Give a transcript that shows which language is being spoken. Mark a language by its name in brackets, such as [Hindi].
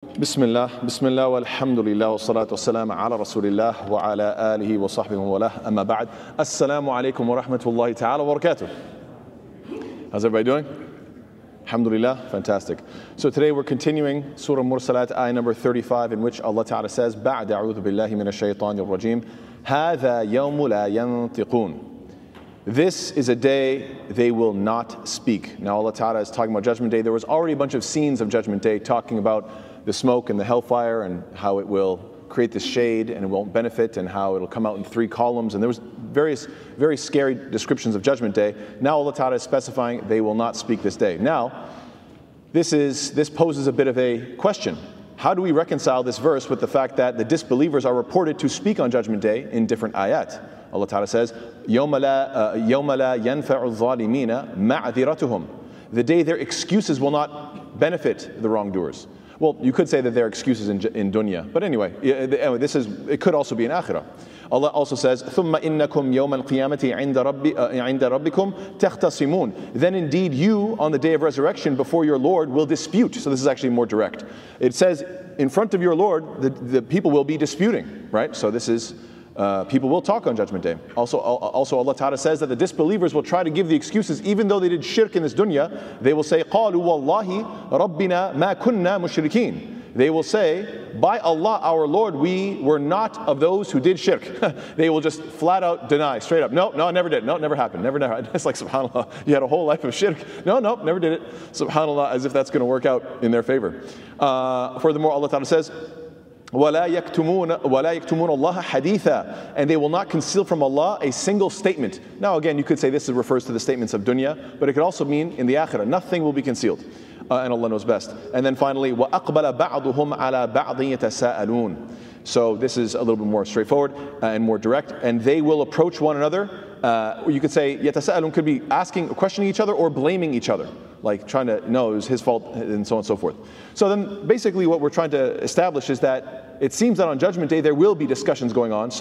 [Arabic] بسم الله بسم الله والحمد لله والصلاة والسلام على رسول الله وعلى آله وصحبه وله. أما بعد, السلام عليكم ورحمة الله تعالى وبركاته. [English] How's everybody doing? Alhamdulillah, fantastic. So today we're continuing Surah Mursalat, ayah number 35, in which Allah Ta'ala says, [Arabic] بعد أعوذ بالله من الشيطان الرجيم هذا يوم لا ينطقون. [English] This is a day they will not speak. Now Allah Ta'ala is talking about Judgment Day. There was already a bunch of scenes of Judgment Day talking about the smoke and the hellfire and how it will create the shade and it won't benefit and how it'll come out in three columns. And there was various, very scary descriptions of Judgment Day. Now Allah Ta'ala is specifying they will not speak this day. Now, this poses a bit of a question. How do we reconcile this verse with the fact that the disbelievers are reported to speak on Judgment Day in different ayat? Allah Ta'ala says, [Arabic] يَوْمَ لَا يَنْفَعُ الظَّالِمِينَ مَعْذِرَتُهُمْ. [English] The day their excuses will not benefit the wrongdoers. Well, you could say that there are excuses in dunya. But anyway, it could also be in akhirah. Allah also says, [Arabic] ثُمَّ إِنَّكُمْ يَوْمَ الْقِيَامَةِ عِنْدَ رَبِّكُمْ تَخْتَصِمُونَ. [English] Then indeed you, on the day of resurrection, before your Lord, will dispute. So this is actually more direct. It says, in front of your Lord, the people will be disputing, right? So this is, people will talk on Judgment Day. Also Allah Ta'ala says that the disbelievers will try to give the excuses, even though they did shirk in this dunya. They will say, [Arabic] قَالُوا وَاللَّهِ رَبِّنَا مَا كُنَّا مُشْرِكِينَ. [English] They will say, by Allah, our Lord, we were not of those who did shirk. They will just flat out deny, straight up. No, I never did. No, never happened. Never. It's like, subhanAllah, you had a whole life of shirk. No, never did it. SubhanAllah, as if that's going to work out in their favor. Furthermore, Allah Ta'ala says, [Arabic] وَلَا يَكْتُمُونَ اللَّهَ حَدِيثًا. [English] And they will not conceal from Allah a single statement. Now again, you could say this refers to the statements of dunya, but it could also mean in the akhirah, nothing will be concealed. And Allah knows best. And then finally, [Arabic] وَأَقْبَلَ بَعْضُهُمْ عَلَى بَعْضٍ يَتَسَاءَلُونَ. [English] So this is a little bit more straightforward and more direct. And they will approach one another. You could say, يَتَسَاءَلُونَ could be asking, questioning each other or blaming each other. Like trying to know it was his fault and so on and so forth. So then basically what we're trying to establish is that it seems that on Judgment Day there will be discussions going on.